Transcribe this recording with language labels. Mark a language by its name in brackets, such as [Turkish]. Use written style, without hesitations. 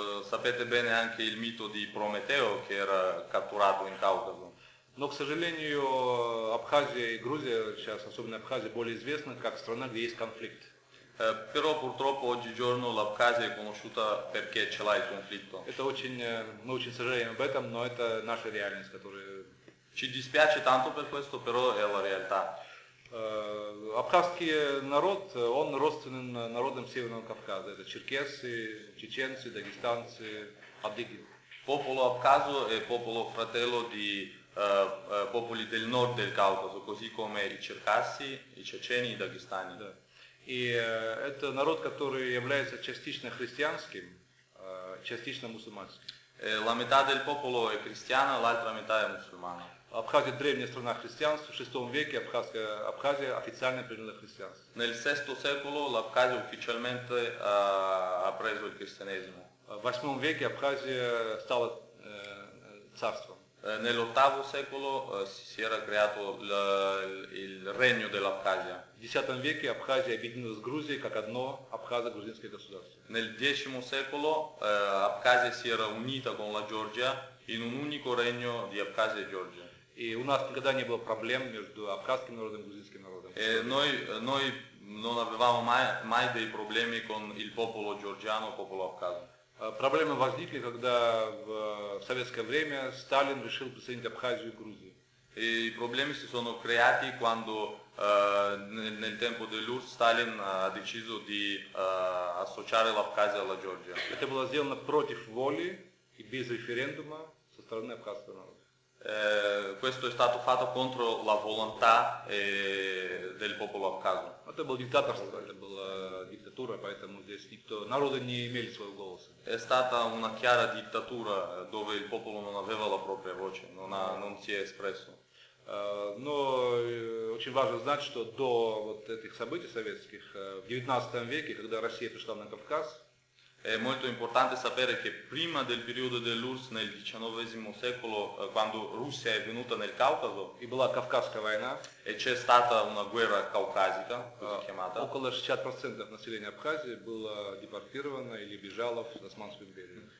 [Italian] Sapete bene anche il mito di Prometeo, che era catturato in Caucaso. [Russian] Но, к сожалению, Абхазия и Грузия, сейчас особенно Абхазия, более известны как страна, где есть конфликт. [Italian] Però purtroppo oggigiorno l'Abkhazia è conosciuta perché ce l'ha il conflitto. [Russian] Это очень, мы очень сожалеем об этом, но это наша реальность, которая... [Italian] Ci dispiace tanto per questo, però è la realtà. [Russian] Абхазский народ, он родственен народам Северного Кавказа. Это черкесы, чеченцы, дагестанцы, адыги. [Italian] Popolo Abkhazo è popolo fratello di popoli del nord del Caucaso, così come i Черкасы, i Чечены, i Дагестани. [Russian] Да. И это народ, который является частично христианским, частично мусульманским. [Italian] La metà del popolo è cristiana, l'altra metà è musulmana. [Russian] Абхазия – древняя страна христианства. В VI веке Абхазия официально приняла христианство. [Italian] Nel VI secolo l'Abkhazia ufficialmente ha preso il cristianesimo. [Russian] В VIII веке Абхазия стала царством. [Italian] Nell'VIII secolo si era creato il regno dell'Abkhazia. [Russian] В X веке Абхазия объединилась с Грузией как одно абхазо-грузинское государство. [Italian] Nel X secolo Абхазия si era unita con la Georgia in un unico regno di Абхазия e Georgia. [Russian] И у нас никогда не было проблем между абхазским народом и грузинским народом. [Italian] Noi non avevamo mai dei problemi con il popolo georgiano, popolo abkhazo. [Russian] Проблемы возникли, когда в советское время Сталин решил присоединить Абхазию и Грузию. И проблемы [Italian] si sono creati quando nel tempo dell'URSS Сталин ha deciso di associare l'Abkhazia alla Georgia. [Russian] Это было сделано против воли и без референдума со стороны абхазского народа. [Italian] Questo è stato fatto contro la volontà del popolo abkhazo. [Russian] Это было диктаторство, это была диктатура, поэтому здесь никто, народы не имели своего голоса. [Italian] È stata una chiara dittatura dove il popolo non aveva la propria voce, non si è espresso. [Russian] Но очень важно знать, что до вот этих событий советских в XIX веке, когда Россия пришла на Кавказ. [Italian] È molto importante sapere che prima del periodo dell'URSS nel XIX secolo, quando Russia è venuta nel Caucaso, [Russian] e была Кавказская война, [Italian] e c'è stata una guerra caucasica, così chiamata. [Russian] Около 60% населения Абхазии было депортировано или бежало в Османскую империю.